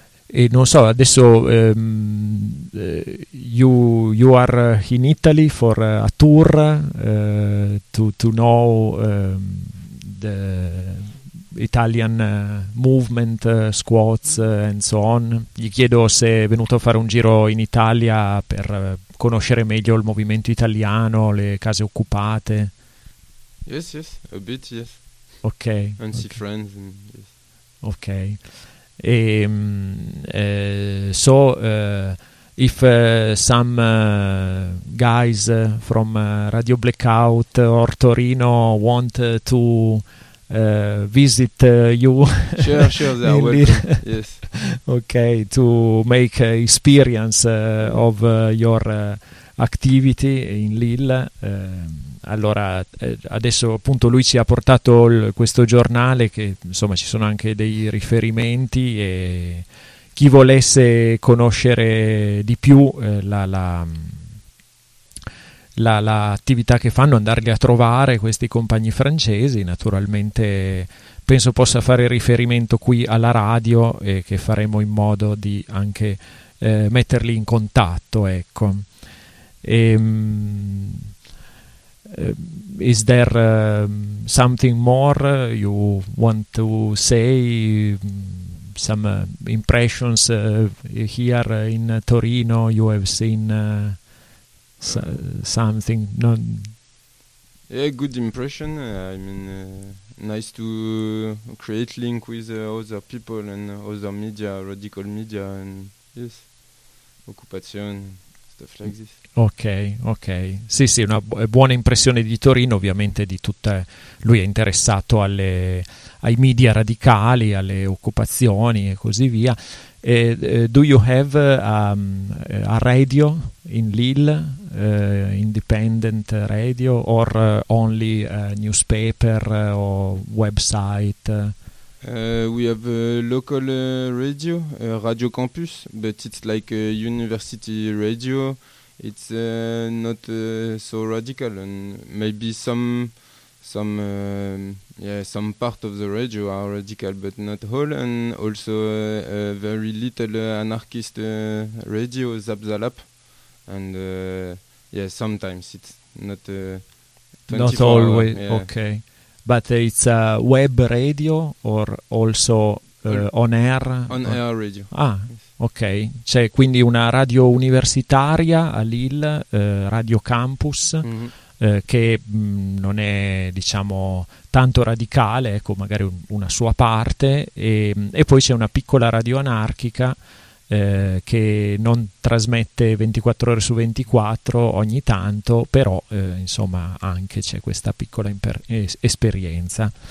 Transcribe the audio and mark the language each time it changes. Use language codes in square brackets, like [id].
[it] E non so, adesso [en] you are in Italy for a tour to know the Italian movement, squats and so on. [it] Gli chiedo se è venuto a fare un giro in Italia per conoscere meglio il movimento italiano, le case occupate. [en] Yes, yes, a bit, yes. Ok. And okay. See friends. And yes. Ok. So if some guys from Radio Blackout or Torino want to visit you, sure, sure, they are welcome. Yes. Okay, to make experience of your activity in Lille. [it] Allora, adesso appunto lui ci ha portato questo giornale, che insomma ci sono anche dei riferimenti, e chi volesse conoscere di più la attività che fanno, andarli a trovare questi compagni francesi, naturalmente penso possa fare riferimento qui alla radio e che faremo in modo di anche metterli in contatto, ecco. [en] Is there something more you want to say? Some impressions here in Torino? You have seen something? Non... Yeah, good impression. I mean, nice to create link with other people and other media, radical media, and yes, occupation. Ok, ok. [it] Sì, sì, una buona impressione di Torino, ovviamente di tutta... Lui è interessato alle, ai media radicali, alle occupazioni e così via. [en] Do you have a radio in Lille, independent radio, or only a newspaper or website? We have a local radio, Radio Campus, but it's like a university radio. It's not so radical, and maybe some part of the radio are radical, but not all. And also a very little anarchist radio, Zap Zalap, and yeah, sometimes it's not 24. Not always, yeah. Okay. But it's a web radio or also on air? On air radio. Ah, yes. Ok. [it] C'è quindi una radio universitaria a Lille, Radio Campus, che non è, diciamo, tanto radicale, ecco, magari una sua parte, e poi c'è una piccola radio anarchica che non trasmette 24 ore su 24 ogni tanto, però insomma anche c'è questa piccola esperienza.